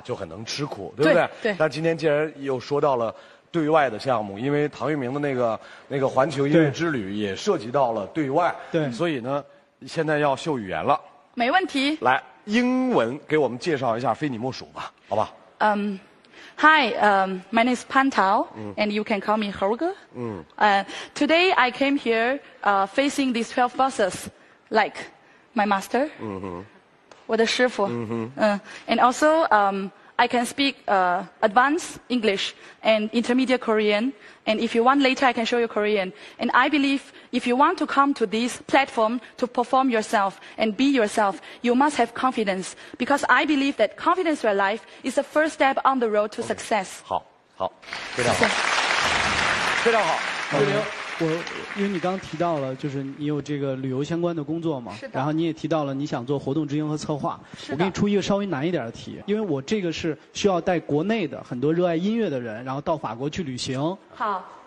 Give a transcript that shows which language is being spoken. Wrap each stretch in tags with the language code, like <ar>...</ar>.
<zh>就很能吃苦，对不对？对。那今天既然又说到了对外的项目，因为唐玉明的那个环球音乐之旅也涉及到了对外，对，所以呢，现在要秀语言了。没问题。来，英文给我们介绍一下《非你莫属》吧，好吧？</zh> <en>Hi, my name is Pan Tao, and you can call me Helga. Today I came here, facing these 12 bosses, like. My master, mm-hmm.</en> <zh>我的师父、</zh> <en>mm-hmm. And also, I can speak advanced English and intermediate Korean. And if you want, later I can show you Korean. And I believe if you want to come to this platform to perform yourself and be yourself, you must have confidence. Because I believe that confidence in your life is the first step on the road to success.</en> <zh>好，好，非常好，非常好，刘明。我因为你刚提到了就是你有这个旅游相关的工作嘛，是的，然后你也提到了你想做活动执行和策划，是的，我给你出一个稍微难一点的题，因为我这个是需要带国内的很多热爱音乐的人然后到法国去旅行。好，</zh>